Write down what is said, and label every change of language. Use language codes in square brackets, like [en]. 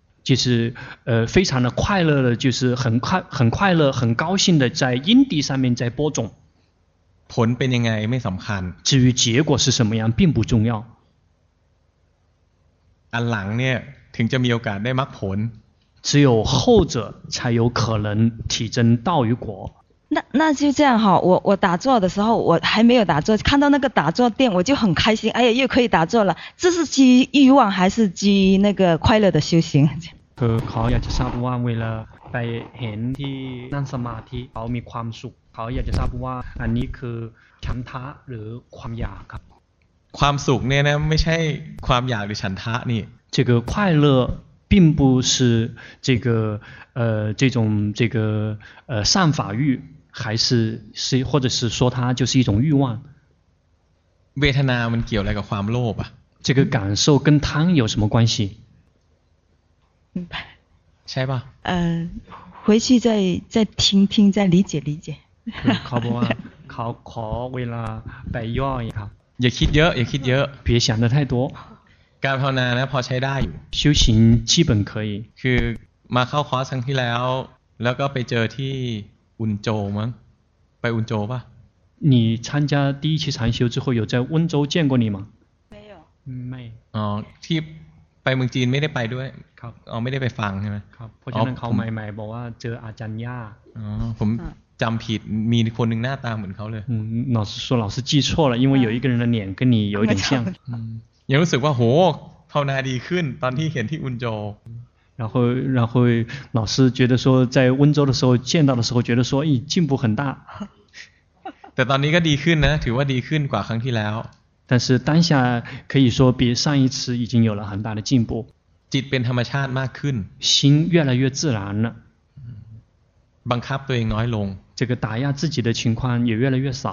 [zh] 就是非常的快乐的，就是很快乐很高兴的在因地上面在播种。 [th] ผลเป็นยังไงไม่สำคัญ [zh] 至于结果是什么样并不重要。 [th] อันหลังเนี่ยถึงจะมีโอกาสได้มรรคผล [zh] 只有后者才有可能体证道与果。那就这样哈，我打坐的时候，我还没有打坐，看到那个打坐垫，我就很开心，哎呀，又可以打坐了。这是基于欲望，还是基于那个快乐的修行？ [th] เขาอยากจะทราบว่าเวลาไปเห็นที่นั่งสมาธิเขามีความสุขเขาอยากจะทราบว่าอันนี้คือฉันทะหรือความอยากครับ ความสุขเนี่ยนะไม่ใช่ความอยากหรือฉันทะนี่ [zh] 这个快乐并不是这个这种这个善法欲。还是是或者是说它就是一种欲望。 [th] เวทนามันเกี่ยวอะไรกับความโลภอ่ะ [zh] 这个感受跟贪有什么关系？ [th] ใช่ป่ะ [zh] 回去再听听再理解理解。 [th] เขาบอกว่าเขาขอเวลาไปย่อยครับ อย่าคิดเยอะอย่าคิดเยอะ [zh] 别想的太多。 [th] การภาวนานะพอใช้ได้อยู่ [zh] 修行基本可以。 [th] คือมาเข้าคอร์สครั้งที่แล้วแล้วก็ไปเจอที่อุนโจมั้งไปอุนโจป่ะ [zh] 你参加第一期禅修之后有在温州见过你吗没有 [th] ไม่อ๋อที่ไปเมืองจีนไม่ได้ไปด้วย ครับ อ๋อไม่ได้ไปฟังใช่ไหม ครับเพราะฉะนั้นเขาใหม่ๆบอกว่าเจออาจารย์ย่า อ๋อผมจำผิดมีคนหนึ่งหน้าตาเหมือนเขาเลย [zh] 老师说老师记错了因为有一个人的脸跟你有点像 [th] ยังรู้สึกว่าโหภาวนาดีขึ้นตอนที่เห็นที่อุนโจ [zh] 然后老师觉得说在温州的时候见到的时候觉得说咦进步很大 [th] แต่ตอนนี้ก็ดีขึ้นนะถือว่าดีขึ้นกว่าครั้งที่แล้ว [zh] 但是当下可以说比上一次已经有了很大的进步 [th] จิตเป็นธรรมชาติมากขึ้น [zh] 心越来越自然了 [th] บังคับตัวเองน้อยลง [zh] 这个打压自己的情况也越来越少